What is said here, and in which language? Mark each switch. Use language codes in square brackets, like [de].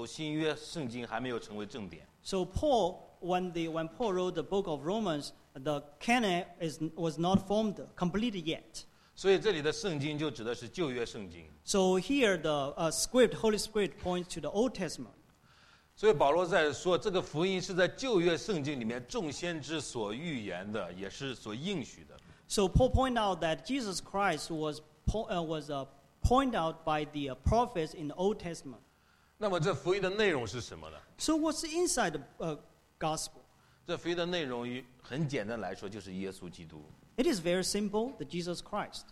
[zh] 我知道在保罗写罗马书的时候，新约圣经还没有成为正典。 [en] So Paul, when Paul wrote the book of Romans, the canon was not formed completely yet. [zh] 所以这里的圣经就指的是旧约圣经。 [en] So here the script, Holy Spirit points to the Old Testament. [zh] 所以保罗在说，这个福音是在旧约圣经里面众先知所预言的，也是所应许的。 [en] So Paul point out that Jesus Christ was pointed out by the prophets in the Old Testament. [zh] 那么这福音的内容是什么呢？ [en] So what's inside the gospel? [zh] 这福音的内容很简单来说，就是耶稣基督。 [en] It is very simple, the Jesus Christ.